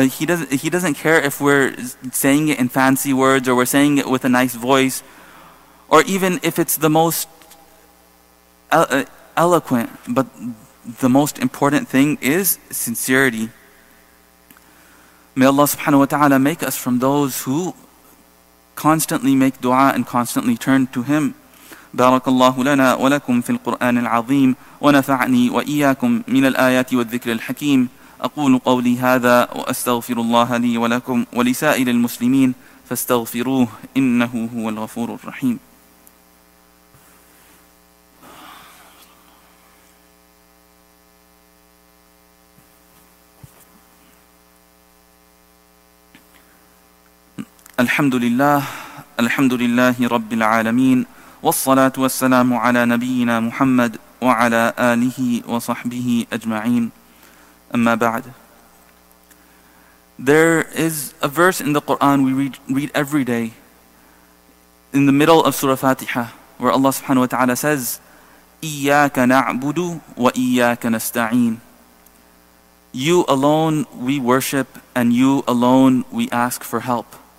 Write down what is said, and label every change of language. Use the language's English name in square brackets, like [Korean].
[English] He doesn't care if we're saying it in fancy words or we're saying it with a nice voice, or even if it's the most eloquent. But the most important thing is sincerity. May Allah subhanahu wa ta'ala make us from those who constantly make dua and constantly turn to Him. [Arabic] بارك الله لنا ولكم في القرآن العظيم ونفعني وإياكم من الآيات والذكر الحكيم أقول قولي هذا وأستغفر الله لي ولكم ولسائر المسلمين فاستغفروه إنه هو الغفور الرحيم. الحمد لله الحمد لله رب العالمين والصلاة والسلام على نبينا محمد وعلى آله وصحبه أجمعين أما بعد. [English] There is a verse in the Quran we read every day in the middle of Surah Fatiha where Allah subhanahu wa ta'ala says [Arabic] إِيَّاكَ نَعْبُدُ وَإِيَّاكَ نَسْتَعِينَ. [English] You alone we worship and you alone we ask for help.